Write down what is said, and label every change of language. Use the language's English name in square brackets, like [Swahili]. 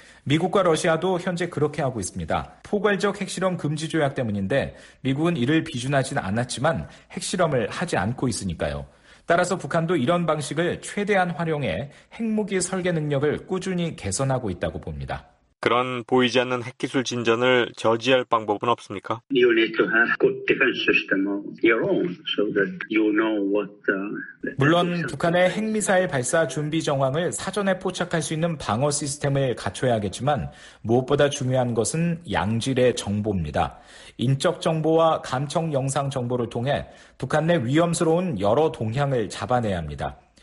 [Korean] 미국과 러시아도 현재 그렇게 하고 있습니다. 포괄적 핵실험 금지 조약 때문인데 미국은 이를 비준하진 않았지만 핵실험을 하지 않고 있으니까요. 따라서 북한도 이런 방식을 최대한 활용해 핵무기 설계 능력을 꾸준히 개선하고 있다고 봅니다. 그런 보이지 않는 핵기술 진전을 저지할 방법은 없습니까? [English] You need to have good defense system of your own so that you know what the... [Korean] 물론 북한의 핵미사일 발사 준비 정황을 사전에 포착할 수 있는 방어 시스템을 갖춰야겠지만 무엇보다 중요한 것은 양질의 정보입니다. 인적 정보와 감청 영상 정보를 통해 북한 내 위험스러운 여러 동향을 잡아내야 합니다.